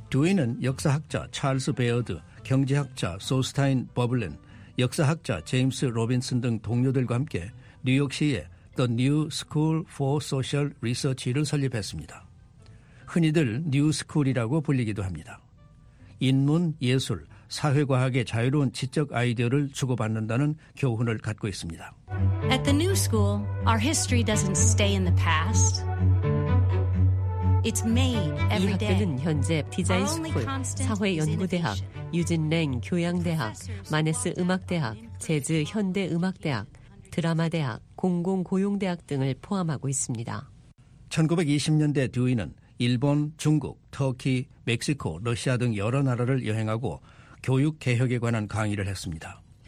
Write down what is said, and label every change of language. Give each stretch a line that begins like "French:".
Korean: 듀이는 역사학자 찰스 베어드, 경제학자 소스타인 버블렌, 역사학자 제임스 로빈슨 등 동료들과 함께 뉴욕시에 The New School for Social Research를 설립했습니다. 흔히들 뉴스쿨이라고 불리기도 합니다. 인문, 예술, 사회과학의 자유로운 지적 아이디어를 주고받는다는 교훈을 갖고 있습니다.
English: At the New School, our history doesn't stay in the past. It's made every day.
Korean: 이 학교는 현재 디자인스쿨, 사회연구대학, 유진랭 교양대학, 마네스 음악대학, 재즈 현대음악대학, 드라마대학, 공공고용대학 등을 포함하고 있습니다. 1920년대 듀이는 일본, 중국, 터키, 멕시코, 러시아 등 여러 나라를 여행하고 교육개혁에 관한 강의를 했습니다.